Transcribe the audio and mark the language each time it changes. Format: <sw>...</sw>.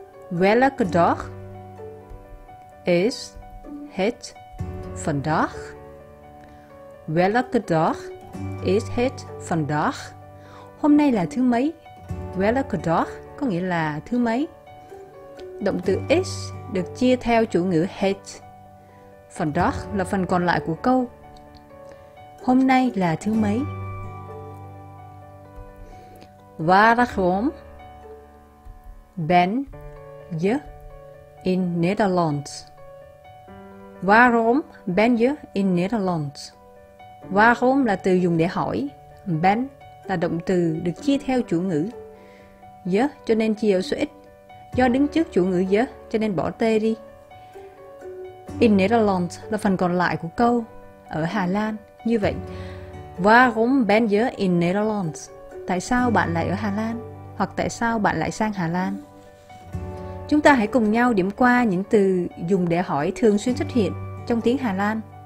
<nl>Welke dag is het vandaag? Welke dag is het vandaag?</nl> <vi>Hôm nay là thứ mấy?</vi> <nl>Welke dag</nl> <vi>có nghĩa là thứ mấy? Động từ is được chia theo chủ ngữ het. Vandaag là phần còn lại của câu. Hôm nay là thứ mấy?</vi> <nl>Waarom ben je in Nederland? Waarom ben je in Nederland?</nl> <vi>Waarom là từ dùng để hỏi. Ben là động từ được chia theo chủ ngữ je, cho nên chia ở số ít. Do đứng trước chủ ngữ je, cho nên bỏ t đi.</vi> <nl>In Nederland</nl> <vi>là phần còn lại của câu. Ở Hà Lan. Như vậy,</vi> <nl>Waarom ben je in Nederland?</nl> <vi>Tại sao bạn lại ở Hà Lan? Hoặc tại sao bạn lại sang Hà Lan? Chúng ta hãy cùng nhau điểm qua những từ dùng để hỏi thường xuyên xuất hiện trong tiếng Hà Lan.</vi>